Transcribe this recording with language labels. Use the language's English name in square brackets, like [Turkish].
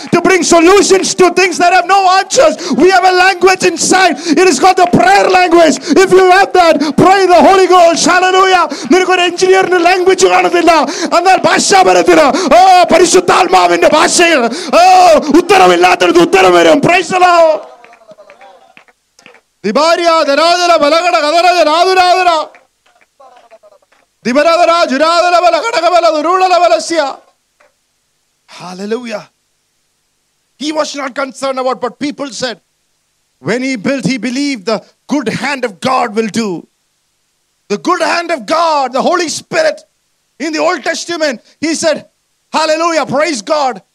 [English] To bring solutions to things that have no answers. We have a language inside. It is called the prayer language. If you have that, pray the Holy Ghost. Hallelujah. [Malayalam] നിനക്ക് ഒരു എഞ്ചിനീയറിന്റെ language കാണുന്നില്ല, എന്നാൽ ഭാഷാപരത്തിന് ഓ പരിശുദ്ധാത്മാവിന്റെ ഭാഷയിൽ ഓ ഉത്തരമില്ലാത്തടത്ത് ഉത്തരം വരും. [English] Praise the Lord. ദിബാരിയ ദരാദര ബലഗട ഗദരജ രാദുരാദര ദിബരാദര ജുരാദര ബലഗടക ബല ദുരുള ബലസ്യ. Hallelujah. He was not concerned about what people said. When he built, he believed the good hand of God will do. The good hand of God, the Holy Spirit. In the Old Testament, he said, hallelujah, praise God.